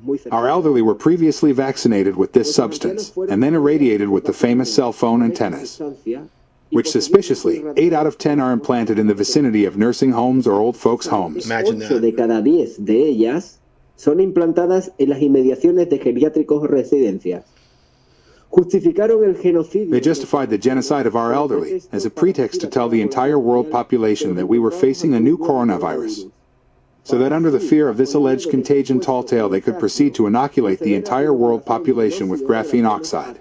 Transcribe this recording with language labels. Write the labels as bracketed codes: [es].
[en] Our elderly were previously vaccinated with this substance and then irradiated with the famous cell phone antennas, which suspiciously, 8 out of 10 are implanted in the vicinity of nursing homes or old folks' homes. Imagine that. [es] 8 de cada 10 de ellas son implantadas en las inmediaciones de geriátricos o residencias. [en] They justified the genocide of our elderly as a pretext to tell the entire world population that we were facing a new coronavirus, so that under the fear of this alleged contagion tall tale, they could proceed to inoculate the entire world population with graphene oxide.